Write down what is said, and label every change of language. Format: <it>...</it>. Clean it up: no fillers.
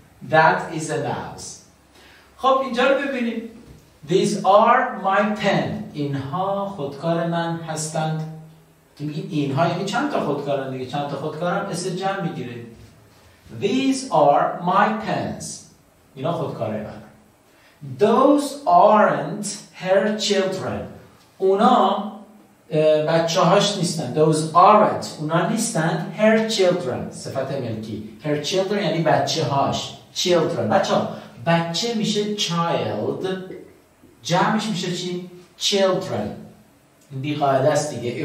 <en>That is a mouse.</en> <fa>خب اینجا رو ببینیم.</fa> <en>These are my pen.</en> <fa>اینها خودکار من هستند. اینها یعنی چند تا خودکارن دیگه؟ چند تا خودکارن اسم جمع میگیره.</fa> <en>These are my pens.</en> <fa>اینا خودکاره من.</fa> <en>Those aren't her children.</en> <fa>اونا بچه هاش نیستن.</fa> <en>Those aren't.</en> <fa>اونا نیستن</fa> <en>her children.</en> <fa>صفت ملکی.</fa> <en>Her children</en> <fa>یعنی بچه هاش.</fa> <en>Children.</en> <fa>بچه ها. بچه میشه</fa> <en>child.</en> <fa>جمعش میشه چی؟</fa> <en>Children.</en> <fa>بیقاعده است دیگه.</fa>